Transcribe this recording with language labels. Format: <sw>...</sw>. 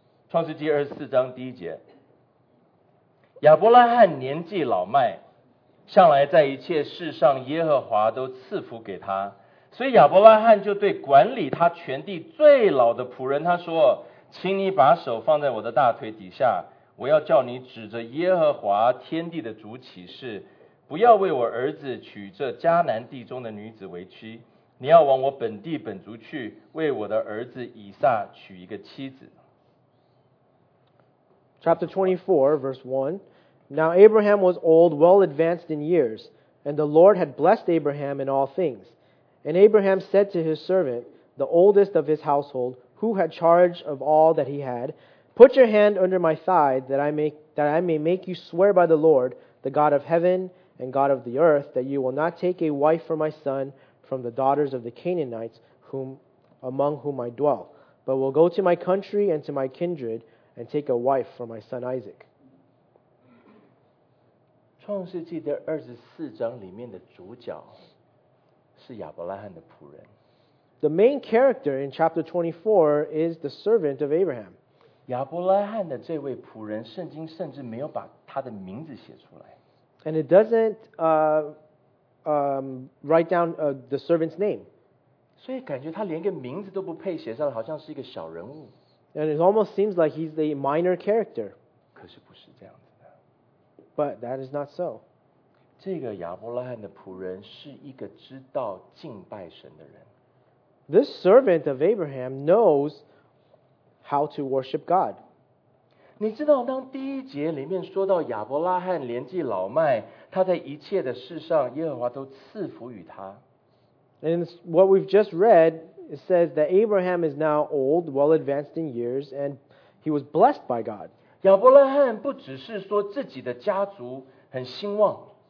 <zh>创世记二十四章第一节, 亚伯拉罕年纪老迈向来在一切事上耶和华都赐福给他，所以亚伯拉罕就对管理他全地最老的仆人他说，请你把手放在我的大腿底下，我要叫你指着耶和华天地的主起誓，不要为我儿子娶这迦南地中的女子为妻，你要往我本地本族去，为我的儿子以撒娶一个妻子。</zh> <en>Chapter 24 verse 1. Now Abraham was old, well advanced in years, and the Lord had blessed Abraham in all things. And Abraham said to his servant, the oldest of his household, who had charge of all that he had, put your hand under my thigh, that I may make you swear by the Lord, the God of heaven and God of the earth, that you will not take a wife for my son from the daughters of the Canaanites, among whom I dwell, but will go to my country and to my kindred and take a wife for my son Isaac.</en> <zh>创世纪的二十四章里面的主角是亚伯拉罕的仆人。</zh> <en>The main character in chapter 24 is the servant of Abraham.</en> <zh>亚伯拉罕的这位仆人，圣经甚至没有把他的名字写出来。</zh> <en>And it doesn't write down the servant's name.</en> <zh>所以感觉他连个名字都不配写上，好像是一个小人物。</zh> <en>And it almost seems like he's a minor character.</en> <zh>可是不是这样。</zh> <en>But that is not so.</en> <zh>这个亚伯拉罕的仆人是一个知道敬拜神的人。</zh> <en>This servant of Abraham knows how to worship God.</en> <zh>你知道当第一节里面说到亚伯拉罕年纪老迈，他在一切的事上耶和华都赐福与他。</zh> <en>And what we've just read, it says that Abraham is now old, well advanced in years, and he was blessed by God.</en> <zh>亚伯拉罕不只是说自己的家族很兴旺。</zh>